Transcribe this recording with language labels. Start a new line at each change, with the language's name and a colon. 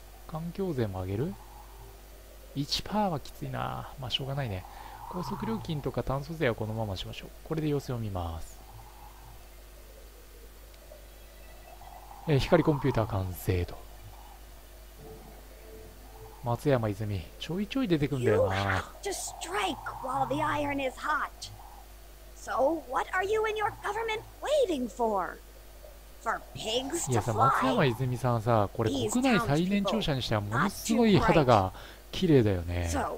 Japanese: 環境税も上げる。1% はきついな。まあしょうがないね。高速料金とか炭素税はこのまましましょう。これで様子を見ます。光コンピューター完成と。松山泉ちょいちょい出てくんだよな。
English: You have to strike while the iron is hot. So what are you and your government waiting for?
Japanese: いやさ、松山泉さんさ、これ国内最年長者にしてはものすごい肌が綺麗だよね。